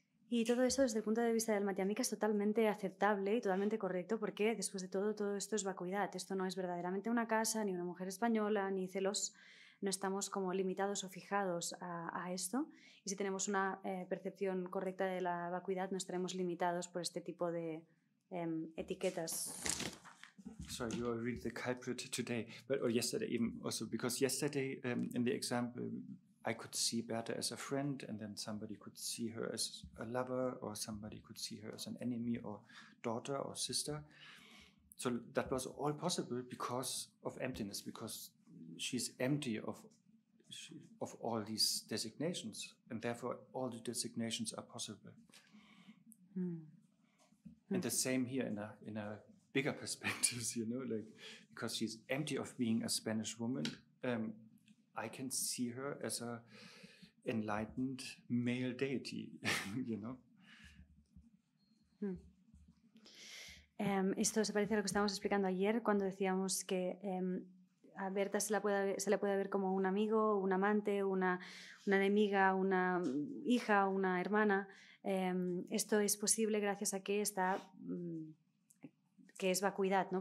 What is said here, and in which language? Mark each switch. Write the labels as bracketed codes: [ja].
[es] Y todo eso desde el punto de vista del Matyamika es totalmente aceptable y totalmente correcto, porque después de todo, todo esto es vacuidad. Esto no es verdaderamente una casa, ni una mujer española, ni celos. No estamos como limitados o fijados a esto. Y si tenemos una percepción correcta de la vacuidad, no estaremos limitados por este tipo de etiquetas. [en] Sorry, you are really the culprit today, but or yesterday even also, because yesterday in the example I could see Berta as a friend, and then somebody could see her as a lover, or somebody could see her as an enemy, or daughter, or sister. So that was all possible because of emptiness, because she's empty of all these designations, and therefore all the designations are possible. Hmm. And the same here in a bigger perspective, you know, like, because she's empty of being a Spanish woman, I can see her as a enlightened male deity, you know. Hmm. [es] Esto se parece a lo que estábamos explicando ayer cuando decíamos que a Berta se la puede ver como un amigo, un amante, una enemiga, una hija, una hermana. Esto es posible gracias a que está que es vacuidad, ¿no?